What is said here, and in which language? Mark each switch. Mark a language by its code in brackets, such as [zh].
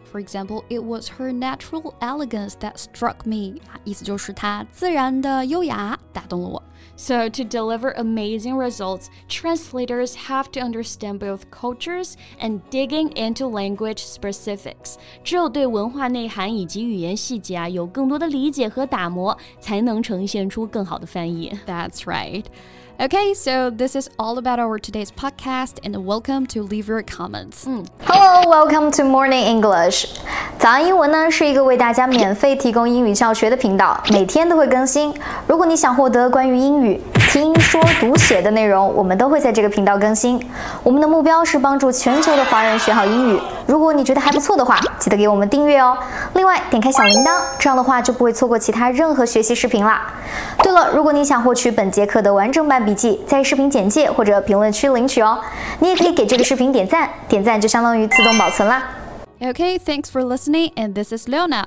[en] For example, it was her natural elegance that struck me. [zh] 意思就是她自然的优雅打动了我。 [en] So to deliver amazing results, translators have to understand both cultures and digging into language specifics. [zh] 只有对文化内涵以及语言细节啊有更多的理解和打磨，才能呈现出更好的翻译。 [en] That's right. Okay, so this is all about our today's podcast, and welcome to leave your comments.、嗯、 Hello, welcome to Morning English. [zh] 早安英文呢是一个为大家免费提供英语教学的频道，每天都会更新。如果你想获得关于英语听说读写的内容，我们都会在这个频道更新。我们的目标是帮助全球的华人学好英语。如果你觉得还不错的话，记得给我们订阅哦。另外，点开小铃铛，这样的话就不会错过其他任何学习视频啦。对了，如果你想获取本节课的完整版笔记，在视频简介或者评论区领取哦。你也可以给这个视频点赞，点赞就相当于自动保存啦。 [en] Okay, thanks for listening, and this is Leona.